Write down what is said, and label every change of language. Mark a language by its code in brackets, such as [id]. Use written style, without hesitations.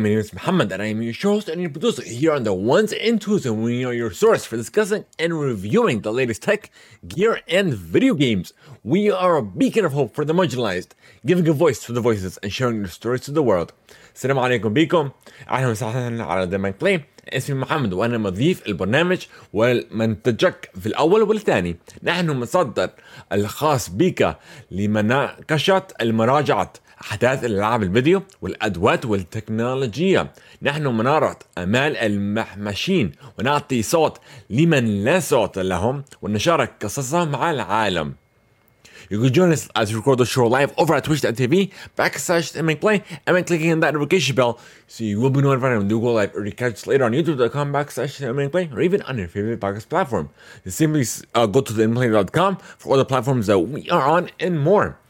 [en] My name is Muhammad and I am your host and your producer here on the ones and twos, and we are your source for discussing and reviewing the latest tech, gear, and video games. We are a beacon of hope for the marginalized, giving a voice to the voices and sharing their stories to the world. [ar] Assalamu alaikum bikum. Ahlan wa sahlan ala Theimpactplay. اسمي محمد وأنا مضيف البرنامج والمنتجك في الأول والثاني. نحن مصدر الخاص بك لمناقشة المراجعة أحداث الألعاب الفيديو والأدوات والتكنولوجيا. نحن منارة أمال المحمشين ونعطي صوت لمن لا صوت لهم ونشارك قصصهم مع العالم. [en] You can join us as we record the show live over at twitch.tv/theimpactplay and by clicking on that notification bell so you will be notified when we go live or catch us later on youtube.com/theimpactplay or even on your favorite podcast platform. You simply go to theimpactplay.com for all the platforms that we are on and more.